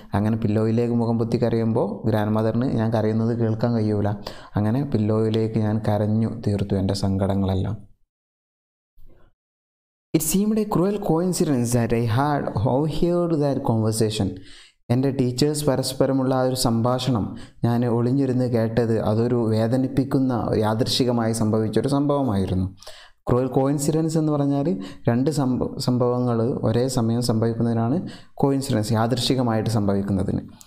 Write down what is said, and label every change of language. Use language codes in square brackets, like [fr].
[ml] അങ്ങനെ പില്ലോയിലേക്ക് മുഖം പൊത്തി കരയുമ്പോൾ ഗ്രാൻഡ്മദറിന് ഞാൻ കരയുന്നത് കേൾക്കാൻ കഴിയൂല. അങ്ങനെ പില്ലോയിലേക്ക് ഞാൻ കരഞ്ഞു തീർത്തു എൻ്റെ സങ്കടങ്ങളെല്ലാം. [en] It seemed a cruel coincidence that I had overheard that conversation. [ml] എൻ്റെ ടീച്ചേഴ്സ് പരസ്പരമുള്ള ആ ഒരു സംഭാഷണം ഞാൻ ഒളിഞ്ഞിരുന്ന് കേട്ടത് അതൊരു വേദനിപ്പിക്കുന്ന യാദൃശ്ചികമായി സംഭവിച്ചൊരു സംഭവമായിരുന്നു. ക്രൂയൽ കോയിൻസിഡൻസ് എന്ന് പറഞ്ഞാൽ രണ്ട് സംഭവങ്ങൾ ഒരേ സമയം സംഭവിക്കുന്നതിനാണ് കോയിൻസിഡൻസ്, യാദൃശ്ചികമായിട്ട് സംഭവിക്കുന്നതിന്.